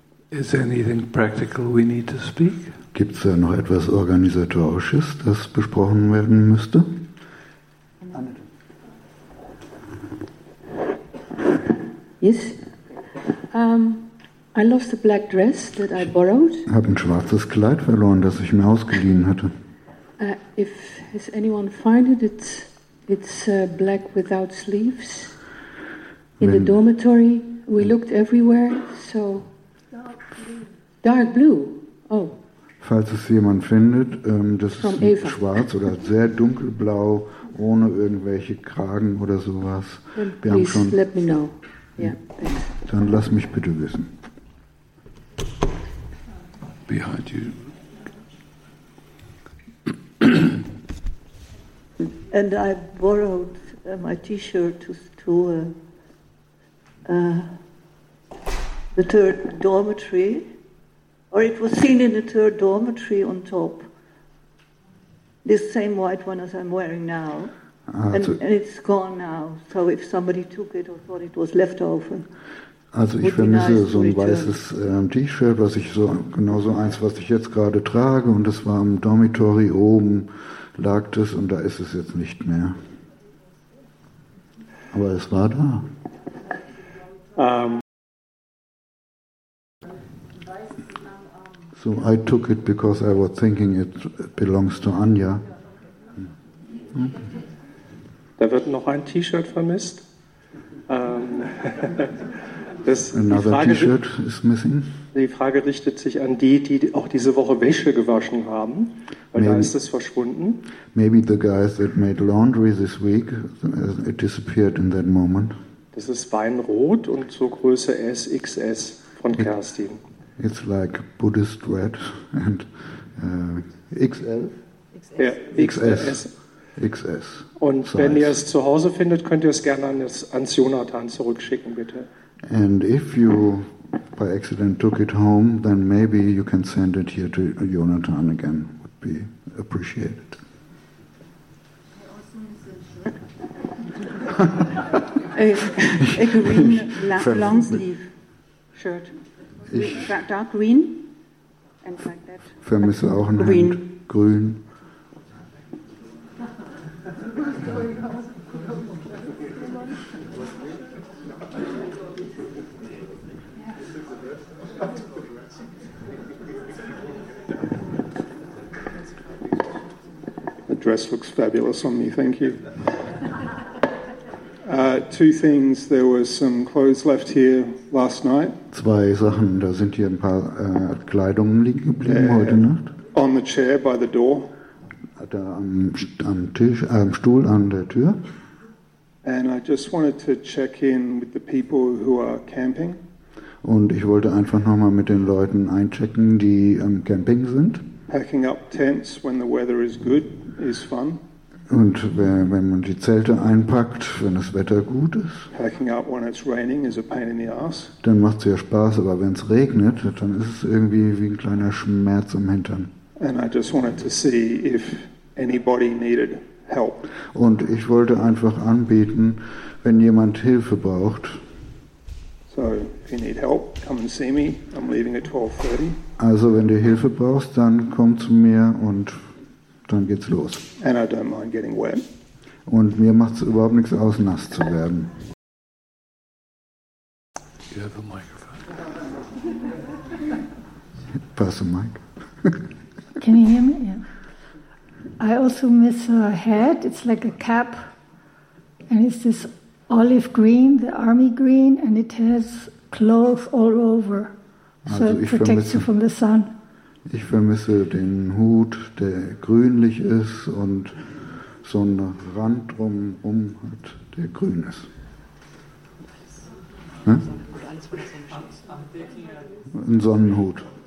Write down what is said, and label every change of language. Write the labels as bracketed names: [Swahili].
[English] Is there anything practical we need to speak? [German] Gibt es da noch etwas Organisatorisches, das besprochen werden müsste? [English] Yes. I lost the black dress that I borrowed. [German] Ich habe ein schwarzes Kleid verloren, das ich mir ausgeliehen hatte. [English] Has anyone found it? It's black without sleeves. In the dormitory, we looked everywhere, so... Dark blue. [German] Falls es jemand findet, das ist schwarz oder sehr dunkelblau, ohne irgendwelche Kragen oder sowas. [English] Let me know. [German] Dann lass mich bitte wissen. [English] Behind you. And I borrowed my T-shirt to the third dormitory, or it was seen in the third dormitory on top, this same white one as I'm wearing now, and it's gone now, so if somebody took it or thought it was left over. [German] Also ich vermisse so ein weißes T-Shirt, was ich so, genauso eins, was ich jetzt gerade trage, und das war im Dormitory oben, lag das, und da ist es jetzt nicht mehr. Aber es war da. [English] So I took it because I was thinking it belongs to Anya. [German] Da wird noch ein T-Shirt vermisst. [English] Another T-Shirt is missing. [German] Die Frage richtet sich an die, die auch diese Woche Wäsche gewaschen haben, weil maybe, da ist es verschwunden. [English] Maybe the guys that made laundry this week, it disappeared in that moment. [German] Das ist Weinrot und zur Größe SXS von Kerstin. [English] It's like Buddhist red and XL. XS. Und size. [German] Wenn ihr es zu Hause findet, könnt ihr es gerne ans Jonathan zurückschicken, bitte. [English] And if you by accident took it home, then maybe you can send it here to Jonathan again. Would be appreciated. A green long sleeve shirt. Dark green. And like that. [German] Vermisse auch ein Hemd. Grün. [English] The dress looks fabulous on me, thank you. Two things, there were some clothes left here last night. [German] Zwei Sachen, da sind hier ein paar Kleidungen liegen geblieben heute Nacht. [English] On the chair by the door. [German] Da am Tisch, am Stuhl an der Tür. [English] And I just wanted to check in with the people who are camping. [German] Und ich wollte einfach nochmal mit den Leuten einchecken, die am Camping sind. [English] Packing up tents when the weather is good is fun. [German] Und wenn man die Zelte einpackt, wenn das Wetter gut ist. [English] Packing up when it's raining is a pain in the ass. [German] Dann macht es ja Spaß, aber wenn es regnet, dann ist es irgendwie wie ein kleiner Schmerz im Hintern. [English] And I just wanted to see if anybody needed help. Und ich wollte einfach anbieten, wenn jemand Hilfe braucht. So, if you need help, come and see me. I'm leaving at 12:30. [German] Also, wenn du Hilfe brauchst, dann komm zu mir und dann geht's los. [English] And I don't mind getting wet. [German] Und mir macht's überhaupt nichts aus, nass zu werden. [English] You have a microphone. Pass the mic. Can you hear me? Yeah. I also miss a hat. It's like a cap. And it's this olive green, the army green, and it has cloth all over. [German] Also [English] so it protects you from the sun. [German] Ich vermisse den Hut, der grünlich ist und so einen Rand drumherum hat, der grün ist. Ein Sonnenhut.